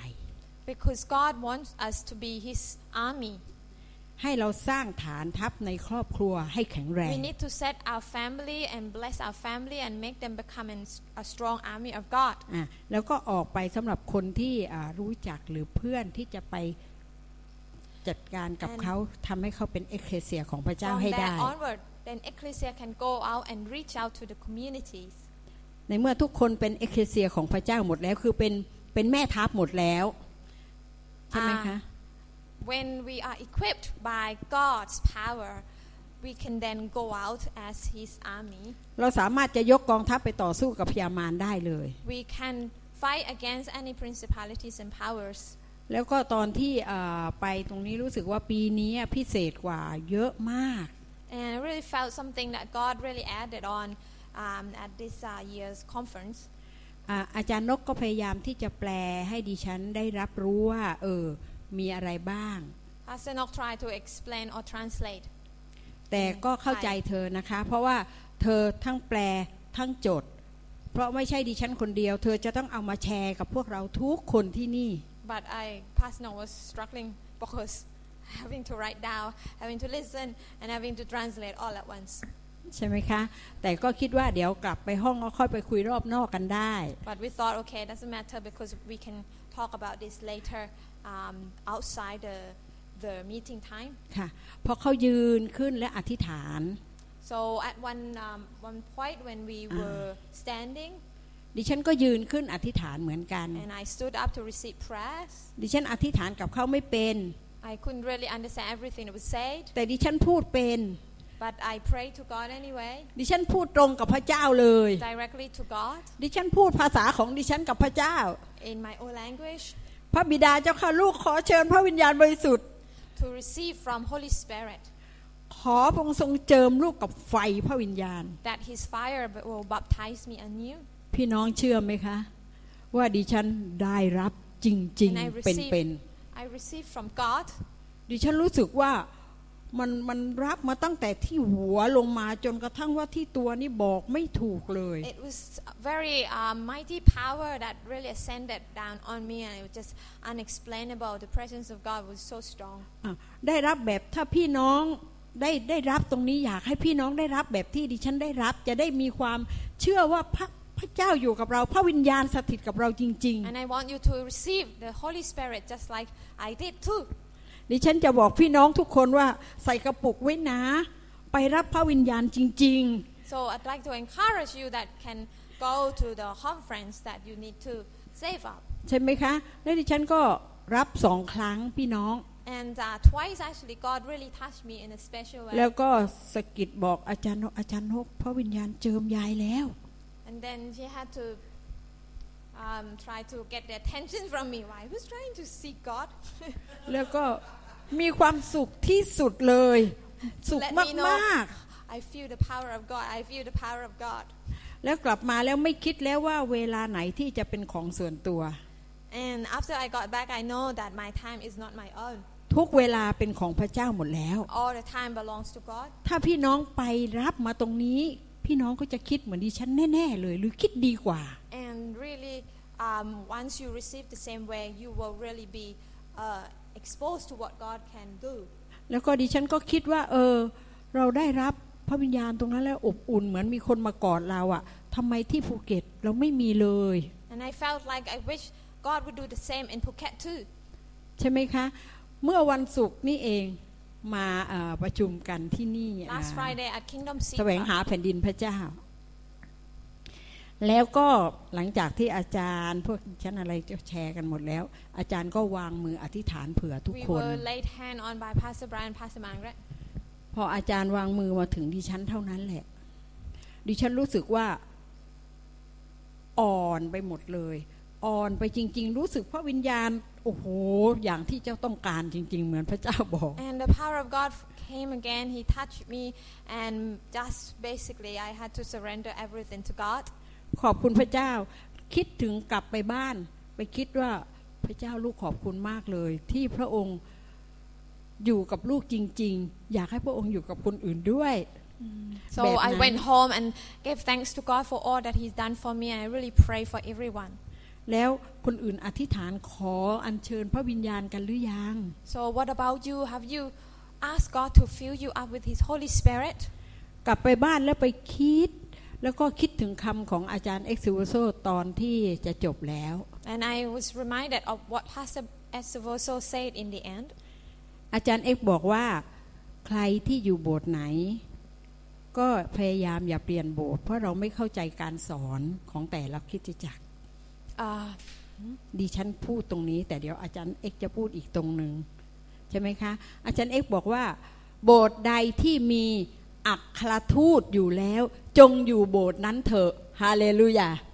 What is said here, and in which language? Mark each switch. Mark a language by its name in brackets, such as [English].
[English] Because God wants us to be his army [Thai] ให้เราสร้างฐานทัพในครอบครัวให้แข็งแรง [English] We need to set our family and bless our family and make them become a strong army of God [Thai] แล้วก็ออกไปสำหรับคนที่รู้จักหรือเพื่อนที่จะไปจัดการกับเขาทำให้เขาเป็นเอกเคเซียของพระเจ้าให้ได้ [English] onward, then ecclesia can go out and reach out to the communities [Thai] ในเมื่อทุกคนเป็นเอกเคเซียของพระเจ้าหมดแล้วคือเป็นแม่ทัพหมดแล้วใช่ไหมคะ [English] when we are equipped by God's power we can then go out as his army [Thai] เราสามารถจะยกกองทัพไปต่อสู้กับพยามารได้เลย [English] we can fight against any principalities and powers [Thai] แล้วก็ตอนที่ไปตรงนี้รู้สึกว่าปีนี้พิเศษกว่าเยอะมาก [English] And I really felt something that God really added on at this year's conference [Thai] อาจารย์นกก็พยายามที่จะแปลให้ดิฉันได้รับรู้ว่ามีอะไรบ้าง [English] Pastor Nok tried to explain or translate [Thai] แต่ก็เข้าใจเธอนะคะเพราะว่าเธอทั้งแปลทั้งจดเพราะไม่ใช่ดิฉันคนเดียวเธอจะต้องเอามาแชร์กับพวกเราทุกคนที่นี่ [English] But I personally was struggling because having to write down, having to listen, and having to translate all at once. [Thai] ใช่ไหมคะแต่ก็คิดว่าเดี๋ยวกลับไปห้องก็ค่อยไปคุยรอบนอกกันได้ [English] But we thought, okay, it doesn't matter because we can talk about this later outside the meeting time. [Thai] ค่ะพอเขายืนขึ้นและอธิษฐาน [English] So at one point when we were standing. [Thai] ดิฉันก็ยืนขึ้นอธิษฐานเหมือนกัน [English] And I stood up to receive prayers [Thai] ดิฉันอธิษฐานกับเขาไม่เป็น [English] I couldn't really understand everything that was said [Thai] แต่ดิฉันพูดเป็น [English] But I prayed to God anyway [Thai] ดิฉันพูดตรงกับพระเจ้าเลย [English] Directly to God [Thai] ดิฉันพูดภาษาของดิฉันกับพระเจ้า [English] In my own language [Thai] พระบิดาเจ้าข้าลูกขอเชิญพระวิญญาณบริสุทธิ์ [English] To receive from Holy Spirit [Thai] ขอพระองค์ทรงเจิมลูกกับไฟพระวิญญาณ [English] That his fire will baptize me anew [Thai] พี่น้องเชื่อไหมคะว่าดิฉันได้รับจริงๆเป็น [English] I received from God [Thai] ดิฉันรู้สึกว่ามันรับมาตั้งแต่ที่หัวลงมาจนกระทั่งว่าที่ตัวนี่บอกไม่ถูกเลย [English] It was very mighty power that really ascended down on me and it was just unexplainable the presence of God was so strong [Thai] ได้รับแบบถ้าพี่น้องได้รับตรงนี้อยากให้พี่น้องได้รับแบบที่ดิฉันได้รับจะได้มีความเชื่อว่าพระเจ้าอยู่กับเราพระวิญญาณสถิตกับเราจริง [English] ๆ And I want you to receive the Holy Spirit just like I did too [Thai] ดิฉันจะบอกพี่น้องทุกคนว่าใส่กระปุกไว้นะไปรับพระวิญญาณจริง [English] ๆ So I'd like to encourage you that can go to the conference that you need to save up [Thai] ใช่ไหมคะและดิฉันก็รับ2ครั้งพี่น้อง [English] And twice actually God really touched me in a special way [Thai] แล้วก็สะกิดบอกอาจารย์นกพระวิญญาณเจิมยายแล้ว [English] And then she had to try to get the attention from me. Why? I was trying to see God. [Thai] แล้วก็มีความสุขที่สุดเลยสุขมาก [English] ๆ I feel the power of God. I feel the power of God. [Thai] แล้วกลับมาแล้วไม่คิดแล้วว่าเวลาไหนที่จะเป็นของส่วนตัว [English] And after I got back, I know that my time is not my own. [Thai] ทุกเวลาเป็นของพระเจ้าหมดแล้ว [English] All the time belongs to God. [Thai] ถ้าพี่น้องไปรับมาตรงนี้พี่น้องก็จะคิดเหมือนดิฉันแน่ๆเลยหรือคิดดีกว่า [English] And really once you receive the same way you will really be exposed to what God can do [Thai] แล้วก็ดิฉันก็คิดว่าเราได้รับพระวิญญาณตรงนั้นแล้วอบอุ่นเหมือนมีคนมากอดเราอะทำไมที่ภูเก็ตเราไม่มีเลย [English] And I felt like I wish God would do the same in Phuket too. [Thai] ใช่ไหมคะเมื่อวันศุกร์นี่เองมาประชุมกันที่นี่ [English] Last Friday at Kingdom City [Thai] แสวงหาแผ่นดินพระเจ้าแล้วก็หลังจากที่อาจารย์พวกชั้นอะไรแชร์กันหมดแล้วอาจารย์ก็วางมืออธิษฐานเผื่อทุกคน [English] We were laid hand on by Pastor Brian Pastor Mang right [Thai] พออาจารย์วางมือมาถึงดิฉันเท่านั้นแหละดิฉันรู้สึกว่าอ่อนไปหมดเลยอ่อนไปจริงๆรู้สึกพระวิญญาณโอ้โหอย่างที่เจ้าต้องการจริงๆเหมือนพระเจ้าบอก [English] And the power of God came again he touched me and just basically I had to surrender everything to God [Thai] ขอบคุณพระเจ้าคิดถึงกลับไปบ้านไปคิดว่าพระเจ้าลูกขอบคุณมากเลยที่พระองค์อยู่กับลูกจริงๆอยากให้พระองค์อยู่กับคนอื่นด้วย [English] So I went home and gave thanks to God for all that He's done for me, and I really pray for everyone. [Thai] แล้วคนอื่นอธิษฐานขออัญเชิญพระวิญญาณกันหรือยัง [English] So what about you? Have you asked God to fill you up with His Holy Spirit? [Thai] กลับไปบ้านแล้วไปคิดแล้วก็คิดถึงคำของอาจารย์เอ็กซ์เวอร์โซตอนที่จะจบแล้ว [English] And I was reminded of what Pastor Exuoso said in the end. [Thai] อาจารย์เอ็กบอกว่าใครที่อยู่โบสถ์ไหนก็พยายามอย่าเปลี่ยนโบสถ์เพราะเราไม่เข้าใจการสอนของแต่ละคริสตจักรดิฉันพูดตรงนี้แต่เดี๋ยวอาจารย์เอ็กจะพูดอีกตรงนึงใช่ไหมคะอาจารย์เอ็กบอกว่าโบสถ์ใดที่มีอัครทูตอยู่แล้วจงอยู่โบสถ์นั้นเถอะฮาเลลูยา